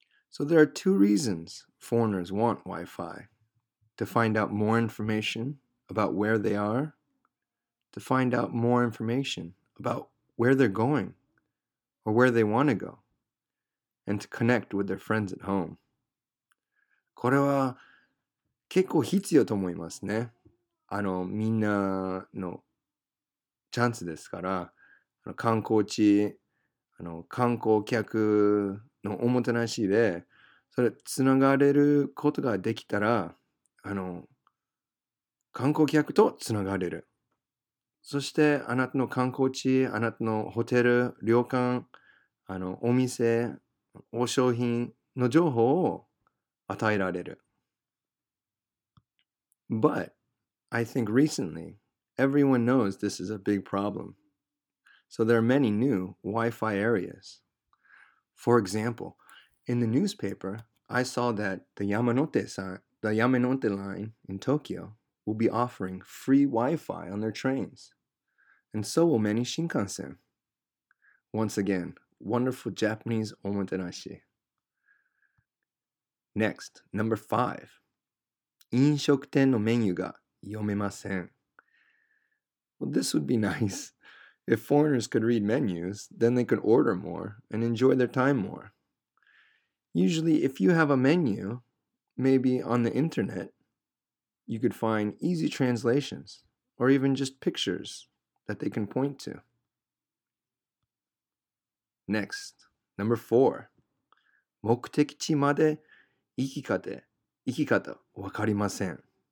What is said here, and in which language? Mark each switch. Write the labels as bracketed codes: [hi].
[en] So there are two reasons foreigners want Wi-Fi. To find out more information about where they are. To find out more information about where they're going or where they want to go. And to connect with their friends at home. [ja] これは結構必要と思いますね。みんなのチャンスですから。観光地、観光客のおもてなしで、それ、つながれることができたら、観光客とつながれる。そして、あなたの観光地、あなたのホテル、旅館、お店、お商品の情報を与えられる。 [en] But, I think recently, everyone knows this is a big problem. So there are many new Wi-Fi areas. For example, in the newspaper, I saw that the Yamanote line in Tokyo will be offering free Wi-Fi on their trains. And so will many Shinkansen. Once again, wonderful Japanese omotenashi. Next, number 5. [ja] 飲食店のメニューが読めません。 [en] Well, this would be nice. If foreigners could read menus, then they could order more and enjoy their time more. Usually, if you have a menu, maybe on the internet, you could find easy translations or even just pictures that they can point to. Next, number 4. [ja] 目的地まで行き方わかりません。